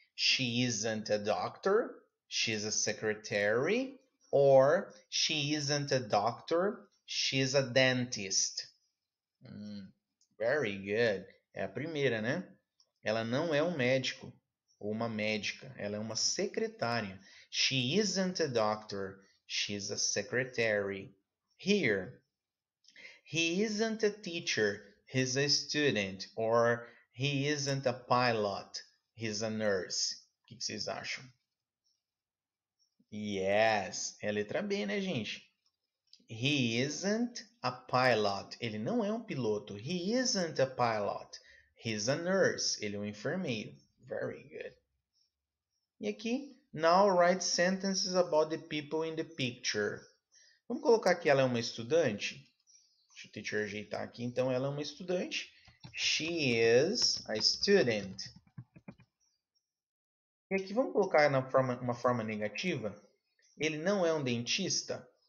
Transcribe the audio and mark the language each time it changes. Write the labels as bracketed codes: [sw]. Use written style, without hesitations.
[en] She isn't a doctor. She's a secretary. Or she isn't a doctor. She's a dentist. Very good. [pt] É a primeira, né? Ela não é um médico. Ou uma médica, ela é uma secretária. [en] She isn't a doctor, she's a secretary. Here, he isn't a teacher, he's a student. Or he isn't a pilot, he's a nurse. [pt] O que vocês acham? Yes, é a letra B, né, gente? [en] He isn't a pilot, [pt] ele não é um piloto. [en] He isn't a pilot, he's a nurse, [pt] ele é um enfermeiro. [en] Very good. [pt] E aqui, [en] now write sentences about the people in the picture. [pt] Vamos colocar que ela é uma estudante. Deixa eu te ajeitar aqui. Então, ela é uma estudante. [en] She is a student. [pt] E aqui, vamos colocar na forma, uma forma negativa. Ele não é um dentista.